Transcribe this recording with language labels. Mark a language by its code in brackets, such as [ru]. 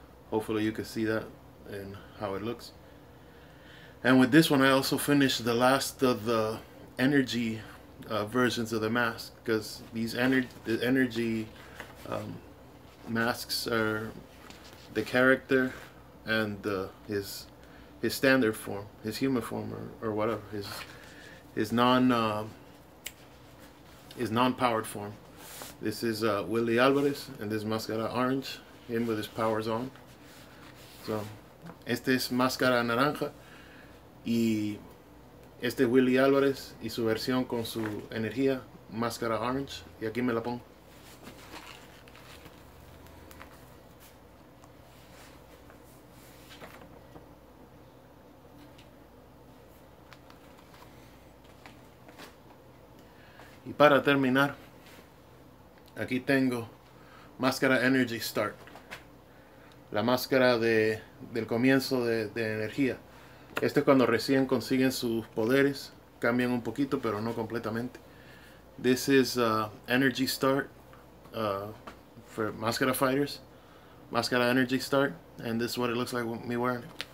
[en] Hopefully you can see that and how it looks. And with this one, I also finished the last of the energy versions of the mask, because these energy masks are the character and his standard form, his human form, or whatever, his non-powered form. This is Willy Alvarez, and this is Mascara Orange, him with his powers on. [es] So, este es Mascara Naranja, y este es Willy Alvarez, y su versión con su energía, Mascara Orange, y aquí me la pongo. Y para terminar, aquí tengo Mascara Energy Start, la máscara del comienzo de energía. Esto es cuando recién consiguen sus poderes, cambian un poquito, pero no completamente. [en] This is Energy Start for Mascara Fighters, Mascara Energy Start, and this is what it looks like with me wearing it.